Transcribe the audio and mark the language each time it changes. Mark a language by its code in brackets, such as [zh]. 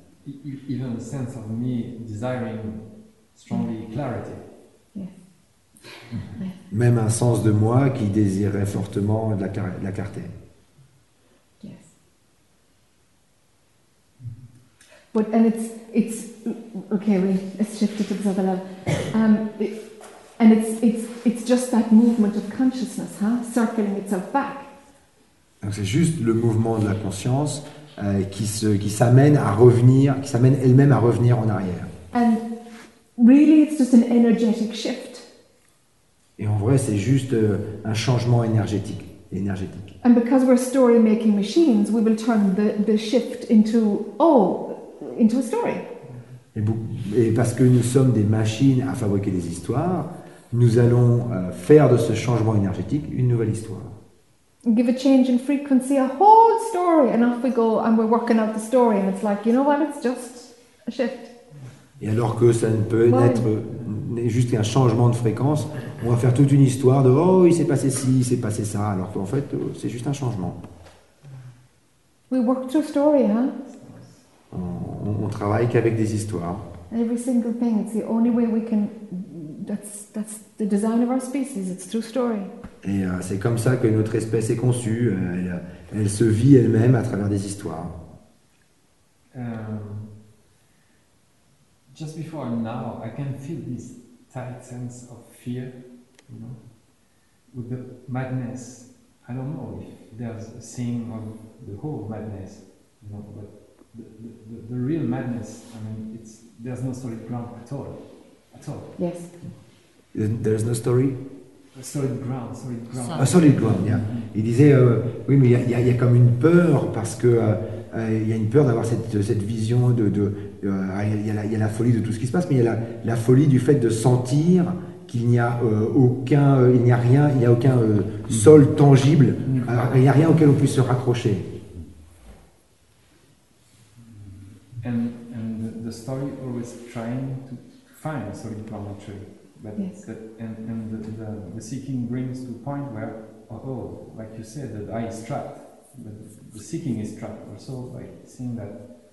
[en] Even the sense of me desiring strongly clarity. Yes. [fr] Même un sens de moi qui désirait fortement de la clarté. [en] Yes. But and it's okay. Let's shift it to the other level. And it's just that movement of consciousness, huh? Circling itself back. [fr] Donc c'est juste le mouvement de la conscience. Qui s'amène à revenir, qui s'amène elle-même à revenir en arrière. [en] And really it's just an energetic shift. [fr] Et en vrai, c'est juste un changement énergétique. [en] And because we're story-making machines, we will turn the shift into a story. [fr] Et parce que nous sommes des machines à fabriquer des histoires, nous allons faire de ce changement énergétique une nouvelle histoire. [en] Give a change in frequency, a whole story, and off we go, and we're working out the story, and it's like, you know what, it's just a shift. [fr] Et alors que ça ne peut être juste qu'un changement de fréquence, on va faire toute une histoire de, oh, il s'est passé ci, il s'est passé ça, alors qu'en fait, c'est juste un changement. [en] We work through story, hein? [fr] On travaille qu'avec des histoires. [en] Every single thing, it's the only way we can... That's the design of our species. It's through story. [fr] Et c'est comme ça que notre espèce est conçue. Elle se vit elle-même à travers des histoires. [en] just before now, I can feel this tight sense of fear, you know, with the madness. I don't know if there's a thing of the whole madness, you know, but the real madness, I mean, it's there's no solid ground at all. Yes. There's no story? A solid ground, yeah. [fr] Il disait, oui, mais il y a comme une peur, parce que il y a une peur d'avoir cette vision de il y a la folie de tout ce qui se passe, mais il y a la folie du fait de sentir qu'il n'y a aucun, il n'y a rien, il n'y a aucun sol tangible, il n'y a rien auquel on puisse se raccrocher. [en] And the story always trying to find a solid ground, actually. But yes. the seeking brings to a point where, like you said, that I is trapped, but the seeking is trapped also by seeing that.